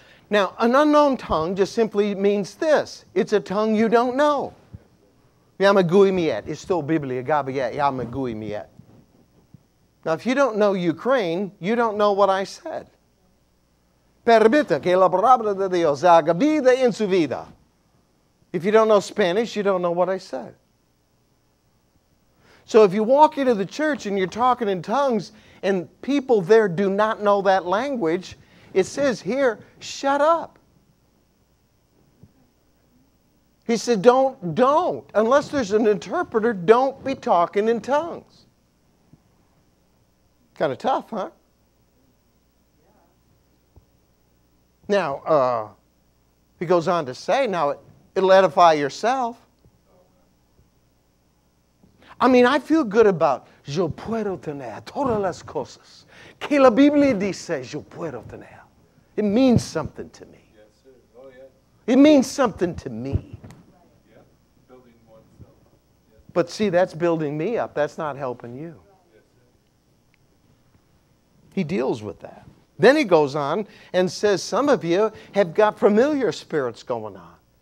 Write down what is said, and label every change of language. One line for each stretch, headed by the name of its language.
English: Now, an unknown tongue just simply means this. It's a tongue you don't know. Yamagui miet. It's still Biblia. Gabiet. Yamagui miet. Now, if you don't know Ukraine, you don't know what I said.
Spanish: Permita que la palabra de Dios haga vida en su vida.
English: If you don't know Spanish, you don't know what I said. So if you walk into the church and you're talking in tongues and people there do not know that language, it says here, shut up. He said, don't. Unless there's an interpreter, don't be talking in tongues. Kind of tough, huh? Now, he goes on to say, now it'll edify yourself. I mean, I feel good about
Spanish: yo puedo tener todas las cosas que la Biblia dice yo puedo tener.
English: It means something to me. Yes, sir. Oh, yeah. It means something to me. Yeah. Building oneself up. Yeah. But see, that's building me up. That's not helping you. Yes, he deals with that. Then he goes on and says, some of you have got familiar spirits going on.